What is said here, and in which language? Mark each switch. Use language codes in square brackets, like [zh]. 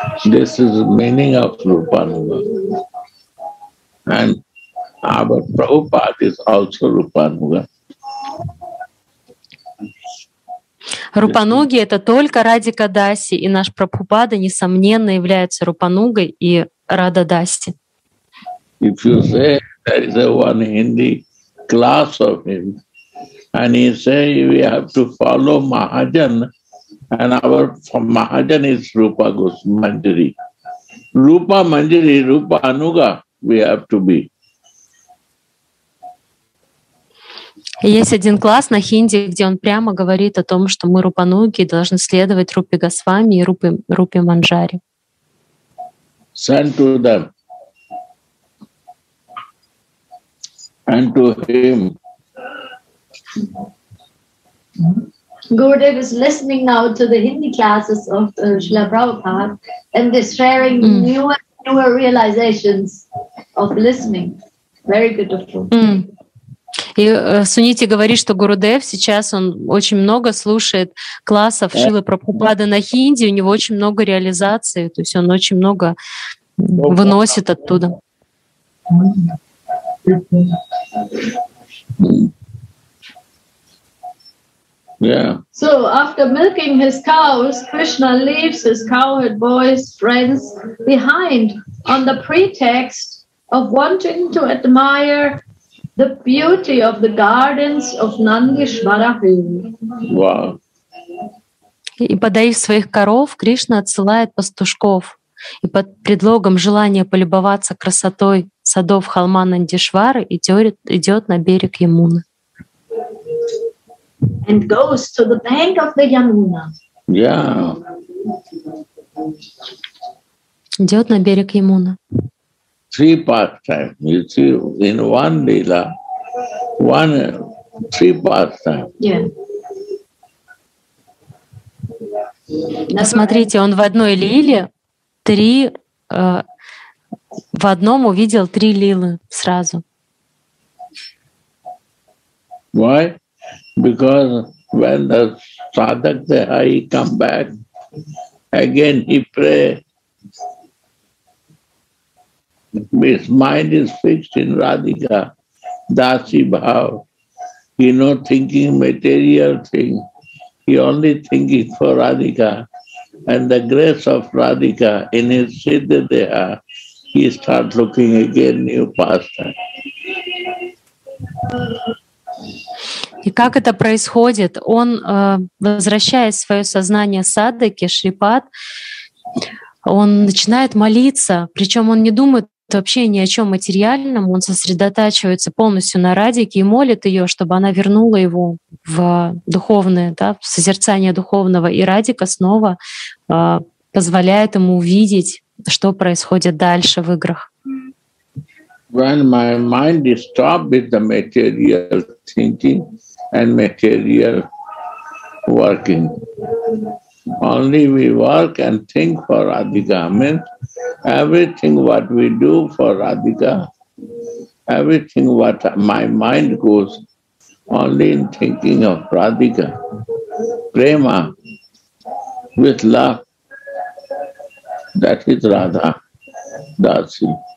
[en] This is the meaning of Rupanuga. And Our Prabhupada is also Rupanuga. [ru] Рупануги — это только Радика Даси, и наш Прабхупада, несомненно, является Рупанугой и Рада Даси. [en] If you say there is a one Hindi class of him, and he say we have to follow Mahajan, and our Mahajan is Rupa Manjari. Rupa Manjari, Rupa Anuga we have to be. [ru] Есть один класс на хинди, где он прямо говорит о том, что мы рупануги должны следовать Рупе Госвами и Рупе Манджари. [en] Send to them. And to him. Gurudev is listening now to the Hindi classes of Srila Prabhupada and is sharing newer realizations of listening. Very good of him. [ru] И Сунити говорит, что Гурудев сейчас он очень много слушает классов Шилы Прабхупады на хинди, у него очень много реализации, то есть он очень много выносит оттуда. [en] Yeah. So after milking his cows, Krishna leaves his cowherd boys, friends behind on the pretext of wanting to admire the beauty of the gardens of Nandishwara Hill. Wow. [ru] И подоив своих коров, Кришна отсылает пастушков. И под предлогом желания полюбоваться красотой садов холма Нандишвары идет на берег Ямуны. [en] And goes to the bank of the Yamuna. Yeah. [ru] Идет на берег Ямуна. [en] Three pastime, you see, in one lila, one, three pastime. Yeah. [ru] Смотрите, он в одной лиле три, в одном увидел три лилы сразу. [en] Why? Because when the sadhak dehi come back, again he pray. His mind is fixed in Radhika, Dasi Bhav. He no thinking material thing. He only thinking for Radhika. And the grace of Radhika in his Siddha Deha, he starts looking again new pastime. [ru] И как это происходит? Он, возвращая свое сознание Садхаке, Шрипад, он начинает молиться, причем он не думает вообще ни о чем материальном, он сосредотачивается полностью на Радике и молит ее, чтобы она вернула его в духовное, да, в созерцание духовного. И Радика снова позволяет ему увидеть, что происходит дальше в играх. [en] When my mind is stopped with the material thinking and material working, only we work and think for Radhika. I mean, everything what we do for Radhika, everything what my mind goes, only in thinking of Radhika, prema, with love, that is Radha, Dasi.